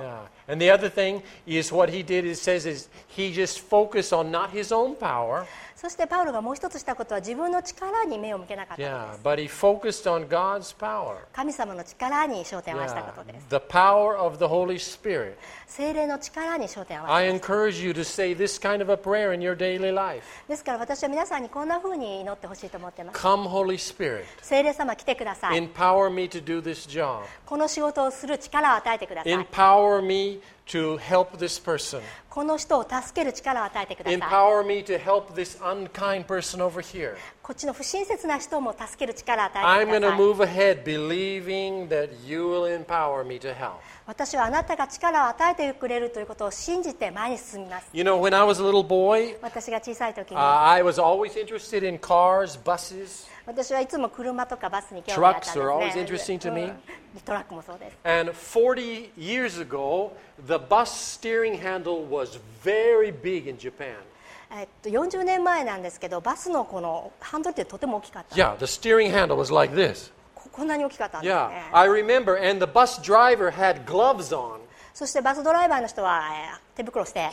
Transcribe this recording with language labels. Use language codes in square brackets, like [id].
[en] Yeah. And the other thingis what he did it says is he just focused on not his own power. [ja] そしてパウロがもう一つしたことは自分の力に目を向けなかったです。 [en] Yeah, but he focused on God's power. [ja] 神様の力に焦点を合わせたことです。 [en] Yeah, the power of the Holy Spirit. [ja] 聖霊の力に焦点を合わせました。 [en] I encourage you to say this kind of a prayer in your daily life. [ja] ですから私は皆さんにこんな風に祈ってほしいと思っています。 [en] Come Holy Spirit. [ja] 聖霊様来てください。 [en] Empower me to do this job. [ja] この仕事をする力を与えてください。 [en] Empower meTo help this person. [ja] この人を助ける力を与えてください。 [en] Empower me to help this unkind person over here. [ja] こっちの不親切な人も助ける力を与えてください [en] I'm going to move ahead believing that you will empower me to help. [ja] 私はあなたが力を与えてくれるということを信じて前に進みます。 [en] You know, when I was a little boy, [ja] 私が小さい時に、 [en] I was always interested in cars, buses. [ja] 私はいつも車とかバスに興味があったんですね。 [en] Trucks are always interesting to me. [ja] トラックもそうです。 [en] And 40 years ago, the bus steering handle was very big in Japan. [ja] 40年前なんですけど、バスのこのハンドルってとても大きかった。 [en] Yeah, the steering handle was like this. [ja] こんなに大きかったんですね。 [en] Yeah, I remember, and the bus driver had gloves on. [ja] そしてバスドライバーの人は手袋して。